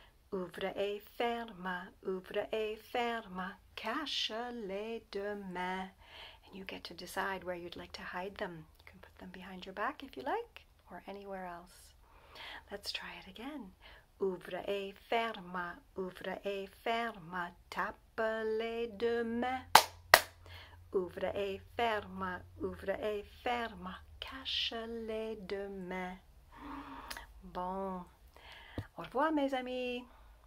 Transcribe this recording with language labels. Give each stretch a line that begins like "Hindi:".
French: Ouvre et ferme, ouvre et ferme, cache-les demain.
English: And you get to decide where you'd like to hide them. You can put them behind your back if you like, or anywhere else. Let's try it again.
French: Ouvre et ferme, ouvre et ferme, tape-les demain. Ouvre et ferme, ouvre et ferme, cache-les demain. Bon, au revoir mes amis.